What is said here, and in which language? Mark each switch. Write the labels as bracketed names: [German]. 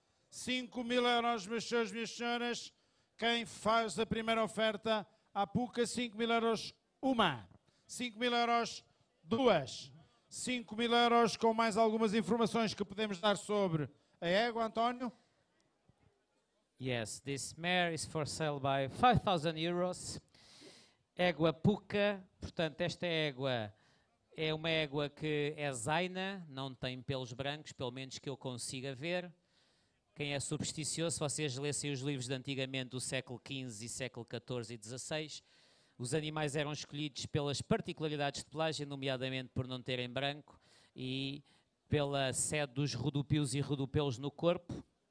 [Portuguese] 5 mil euros, meus senhores, minhas senhoras. Quem faz a primeira oferta à PUCA, 5 mil euros. Uma. 5 mil euros. Duas. 5 mil euros com mais algumas informações que podemos dar sobre a égua, António. [English] Yes, this mare is for sale by 5,000 euros. [Portuguese] Égua PUCA. Portanto, esta égua... é uma égua que é zaina, não tem pelos brancos, pelo menos que eu consiga ver. Quem é supersticioso, se vocês lessem os livros de antigamente do século XV e século XIV e XVI, os animais eram escolhidos pelas particularidades de pelagem, nomeadamente por não terem branco, e pela sede dos rodopios e rodopelos no corpo.